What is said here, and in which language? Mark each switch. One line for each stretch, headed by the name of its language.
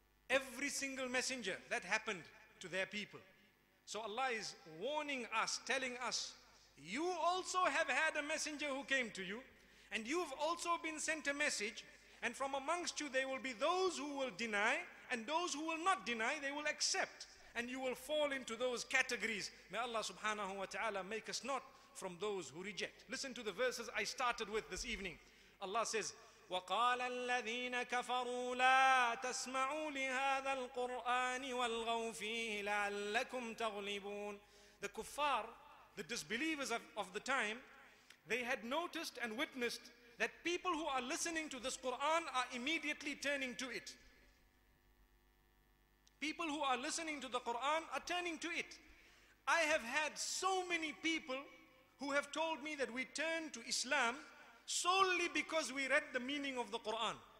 English: Every single messenger, that happened to their people. So Allah is warning us, telling us, you also have had a messenger who came to you, and you've also been sent a message, and from amongst you there will be those who will deny, and those who will not deny, they will accept. And you will fall into those categories. May Allah subhanahu wa ta'ala make us not from those who reject. Listen to the verses I started with this evening. Allah says,
Arabic: وَقَالَ الَّذِينَ كَفَرُوا لَا تَسْمَعُوا لِهَذَا الْقُرْآنِ وَالْغَوْا فِيهِ لَعَلَّكُمْ تَغْلِبُونَ.
English: The kuffar, the disbelievers of the time, they had noticed and witnessed that people who are listening to this Quran are immediately turning to it. People who are listening to the Quran are turning to it. I have had so many people who have told me that we turn to Islam solely because we read the meaning of the Quran.